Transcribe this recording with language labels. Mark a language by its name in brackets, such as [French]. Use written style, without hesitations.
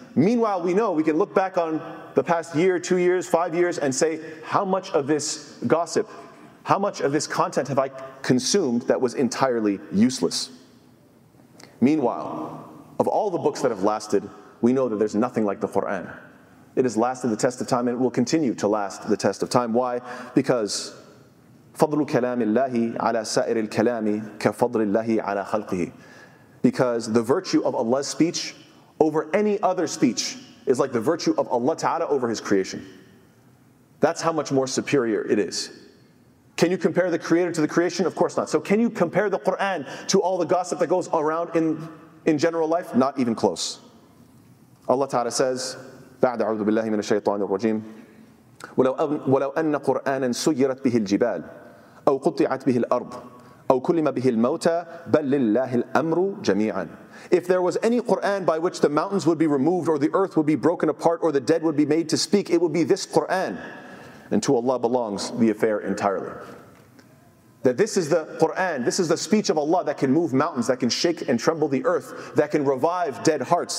[English] Meanwhile, we know we can look back on the past year, 2 years, 5 years, and say, how much of this gossip, how much of this content have I consumed that was entirely useless? Meanwhile, of all the books that have lasted, we know that there's nothing like the Quran. It has lasted the test of time and it will continue to last the test of time. Why? Because [Arabic] فضل كلام الله على سائر الكلام كفضل الله على خلقه. [English] Because the virtue of Allah's speech over any other speech is like the virtue of Allah Ta'ala over His creation. That's how much more superior it is. Can you compare the Creator to the creation? Of course not. So can you compare the Quran to all the gossip that goes around in general life? Not even close. Allah Ta'ala says, [Arabic] بعد أعوذ بالله من الشيطان الرجيم ولو أن قرآنا سيرت به الجبال أو قطعت به الأرض أو كلم به الموتى بل لله الأمر جميعا. [English] If there was any Quran by which the mountains would be removed or the earth would be broken apart or the dead would be made to speak, it would be this Quran. And to Allah belongs the affair entirely. That this is the Quran, this is the speech of Allah that can move mountains, that can shake and tremble the earth, that can revive dead hearts.